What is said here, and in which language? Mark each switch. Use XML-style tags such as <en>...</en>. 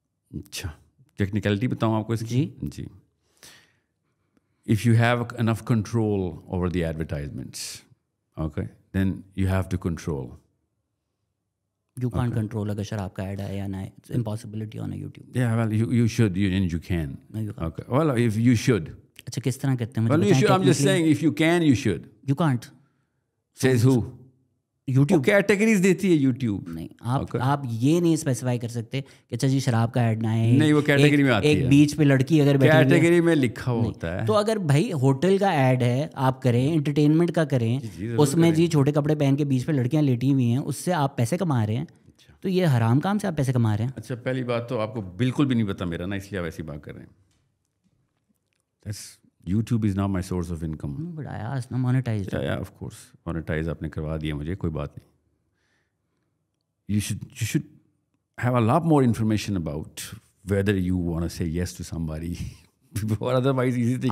<ur>اچھا ٹیکنیکلٹی بتاؤں آپ کو اس کی. جی,</ur> <en>If you have enough control over the advertisements, okay, then you have to control. You can't control</en> <ur>اگر شراب کا ایڈ آئے یا نہ آئے.</ur> <en>It's impossibility on a YouTube. Yeah, well, you should, you, and you can. No, you can't. Okay. Well, if you should.</en> <ur>اچھا کس طرح کرتے ہیں؟</ur> <en>Well, you should, I'm just saying, if you can, you should. You can't. Says who? YouTube. Okay,</en> <ur>categories دیتی ہے YouTube. نہیں, آپ یہ نہیں specify کر سکتے کہ اچھا جی شراب کا ایڈ نہ آئے. نہیں, وہ category میں آتی ہے. ایک بیچ پہ لڑکی اگر بیٹھے. Category میں لکھا ہوتا ہے. تو اگر بھائی ہوٹل کا ایڈ ہے آپ کریں, انٹرٹینمنٹ کا کریں, اس میں جی چھوٹے کپڑے پہن کے بیچ پہ لڑکیاں لیٹی ہوئی ہیں, اس سے آپ پیسے کما رہے ہیں, تو یہ حرام کام سے آپ پیسے کما رہے ہیں؟ اچھا پہلی بات تو آپ کو بالکل بھی نہیں پتا میرا نا, اس لیے آپ ایسی بات کر رہے ہیں.</ur> <en>YouTube is not my source of income. No, but I asked, no, monetized. Yeah, yeah, of course.</en> <ur>Monetize aapne karwa diya mujhe, koi baat nahi.</ur> <en>You should have a lot more information about whether you want to say yes to somebody. Or otherwise, easy thing.</en>